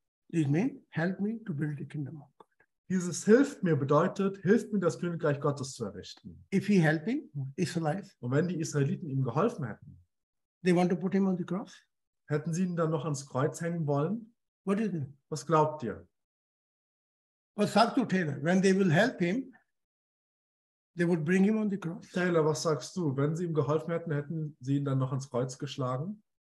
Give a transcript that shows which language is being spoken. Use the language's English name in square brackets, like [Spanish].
[English] It means, help me to build the kingdom of God. [German] Dieses hilft mir bedeutet, hilft mir, das Königreich Gottes zu errichten. [English] If he helping, Israelites, [German] und wenn die Israeliten ihm geholfen hätten, [English] they want to put him on the cross? [German] Hätten sie ihn dann noch ans Kreuz hängen wollen? [English] What is it? [German] Was glaubt ihr? Was sagst du, Taylor? [English] When they will help him, they would bring him on the cross. [German] Taylor, was sagst du? Wenn sie ihm geholfen hätten, hätten sie ihn dann noch ans Kreuz geschlagen?